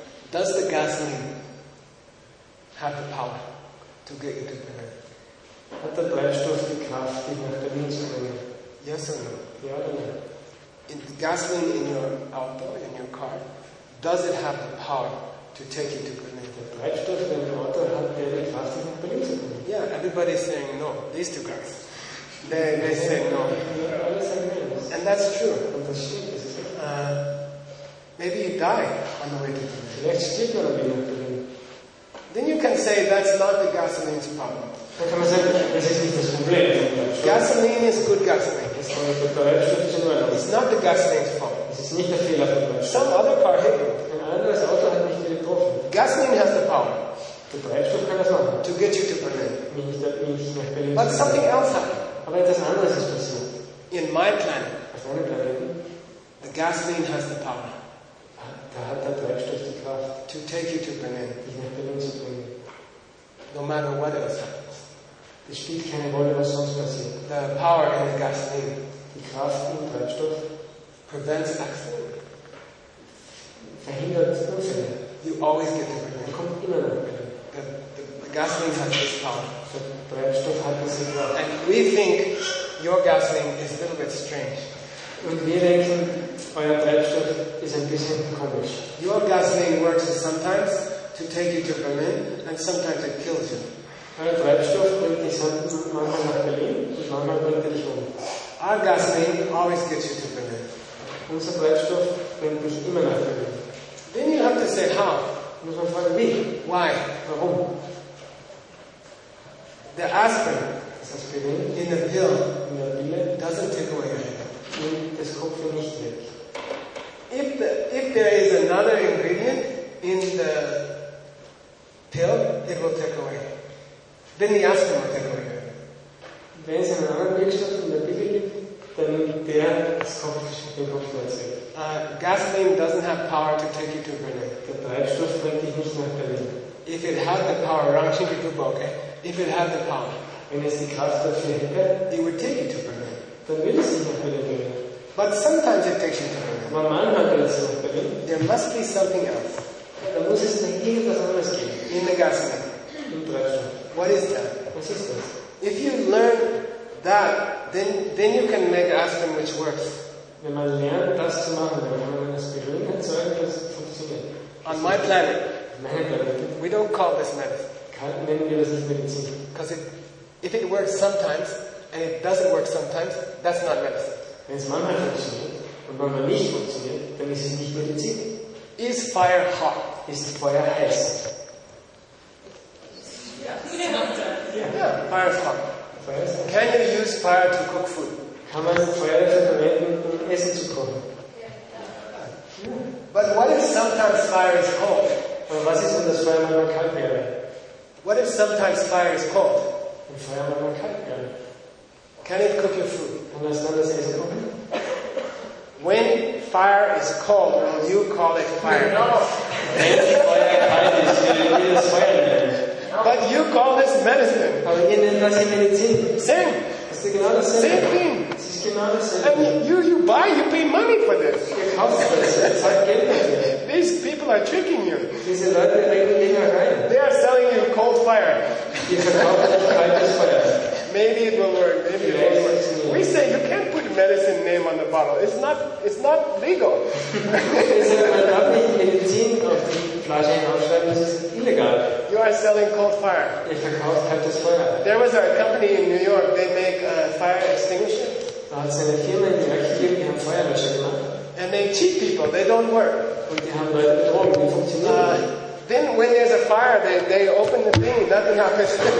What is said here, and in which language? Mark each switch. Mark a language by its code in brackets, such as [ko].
[en] Does the gasoline have the power to get you to the end? [de] Hat der Brennstoff die Kraft, dich nach Berlin zu bringen? [en] Yes or no? [de] Ja oder nein? [en] In the gasoline in your auto, in your car, does it have the power to take you to Berlin? [de] Der Brennstoff in deinem Auto hat der die Kraft, dich nach Berlin zu bringen? [en] Yeah, everybody is saying no. These two guys, they say no. [de] Alle sagen nein. [en] And that's true. [de] Und das stimmt. [en] Maybe you die on the way to Berlin. [de] Vielleicht stirbt man auf dem Weg nach Berlin. [en] Then you can say that's not the gasoline's problem. [de] Dann kann man sagen, das ist nicht das Problem. [en] Gasoline is good gasoline. It's not the gasoline's fault. [de] Es ist nicht der Fehler von Brennstoff. [en] Some other car hit it. [de] Ein anderes Auto hat mich getroffen. [en] Gasoline has the power. [de] Der Brennstoff kann das machen. [en] To get you to Berlin. [de] Mich nach Berlin. [en] But something else happened. [de] Aber etwas anderes ist passiert. [en] In my planet. [de] Auf meinem Planeten. [en] The gasoline has the power. [de] Da hat der Brennstoff die Kraft. [en] To take you to Berlin. [de] Dich nach Berlin zu bringen. [en] No matter what else happens. [de] Es spielt keine Rolle, was sonst passiert. [en] The power in the gasoline, [de] die Kraft im Treibstoff, [en] prevents accident, [de] verhindert Unfälle. [en] You always get to Berlin. [de] Man kommt immer nach Berlin. [en] The gasoline has this power. [de] Der Treibstoff hat diese Kraft. [en] And we think your gasoline is a little bit strange. [de] Und wir denken, euer Treibstoff ist ein bisschen komisch. [en] Your gasoline works sometimes to take you to Berlin, and sometimes it kills you. [de] Euer Treibstoff bringt dich manchmal nach Berlin und manchmal bringt er dich um. [en] Our gasoline always gets you to Berlin. [de] Unser Treibstoff bringt dich immer nach Berlin. [en] Then you have to say how. [de] Muss man fragen wie. [en] Why. [de] Warum. [en] The aspirin, [de] das Aspirin [en] in the pill, [de] in der Pille, [en] doesn't take away your headache. [de] Nimmt das Kopfweh nicht weg. [en] If there is another ingredient in the pill, it will take away. Then the aspirin will take away. [de] Wenn es einen anderen Wirkstoff in der Pille gibt, dann der das Kopfschmerz weg. [en] Gasoline doesn't have power to take you to Berlin. [de] Der Treibstoff bringt dich nicht nach Berlin. [en] If it had the power, Ramchandra Gupta, okay? If it had the power, [de] wenn es die Kraft dafür hätte, [en] it would take you to Berlin. [de] Dann würde es dich nach Berlin bringen. [en] But sometimes it takes you to Berlin. [de] Aber manchmal bringt es nach Berlin. [en] There must be something else. [de] Da muss es dann irgendwas anderes geben. [en] In the gasoline. [de] Im Treibstoff. [en] What is that? [de] Was ist das? [en] If you learn that, then you can make aspirin which works. [de] Wenn man lernt, das zu machen, wenn man das Gehirn erzeugt, das funktioniert. [en] On my planet, we don't call this [de] medicine. Nennen wir das nicht Medizin. [en] Because if it works sometimes, and it doesn't work sometimes, that's not medicine. [de] Wenn es manchmal funktioniert, und manchmal nicht funktioniert, dann ist es nicht Medizin. [en] Is fire hot? [de] Ist Feuer heiß? [en] Yeah. Fire is hot. Can you use fire to cook food? [de] Kann man Feuer verwenden, um Essen zu kochen? [en] But what if sometimes fire is cold? [de] Aber was ist, wenn das Feuer manchmal kalt wäre? [en] What if sometimes fire is cold? [de] Wenn Feuer manchmal kalt wäre. [en] Can it cook your food? [de] Kann es dann das Essen kochen? [en] When fire is cold, will you call it fire? No. [de] Wenn Feuer kalt ist, will ich das Feuer nennen. [en] But you call this medicine. [de] Aber ihr nennt das Medizin. [en] Same. [de] Es ist genau dasselbe. [en] Same thing. [de] Es ist genau dasselbe. [en] And you buy, you pay money for this. [de] Ihr kauft das, ihr zahlt Geld dafür. [en] These people are tricking you. [de] Diese Leute bringen dich rein. [en] They are selling you cold fire. [de] Die verkaufen euch kaltes Feuer. [en] Maybe it will work. Maybe it will work. We say you can't put medicine name on the bottle. It's not legal. [de] Man darf nicht Medizin auf die Flasche hinausschreiben. Das ist illegal. [en] You are selling cold fire. [de] Ich verkaufe kaltes Feuer. [en] There was a company in New York. They make fire extinguisher. [de] Da hat es eine Firma in New York gegeben, die haben Feuerlöscher gemacht. [en] And they cheat people. They don't work. [de] Und die haben Leute betrogen. Die funktionieren nicht. [en] Then when there's a fire, they open the thing, nothing happens.